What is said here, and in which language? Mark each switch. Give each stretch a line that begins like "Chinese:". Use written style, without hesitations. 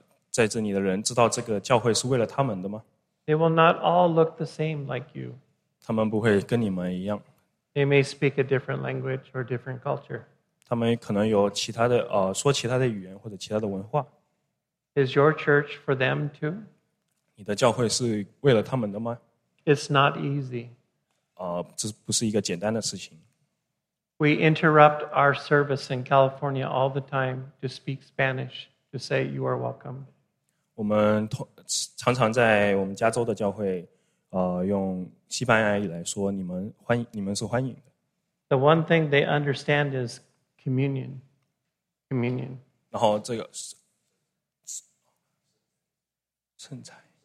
Chinese: 在这里的人知道这个教会是为了他们的吗
English: ？They will not all look the same like you.
Chinese: 他们不会跟你们一样。
English: They may speak a different language or different culture.
Chinese: 他们可能有其他的说其他的语言或者其他的文化。
English: Is your church for them too?
Chinese: 你的教会是为了他们的吗
English: ？It's not easy.
Chinese: 这不是一个简单的事情。
English: We interrupt our service in California all the time to speak Spanish to say you are welcome.
Chinese: 我们常常在我们加州的教会。用西班牙语来说，你们是欢迎的。
English: The one thing they understand is communion. Communion.
Chinese: 然后这个是圣餐。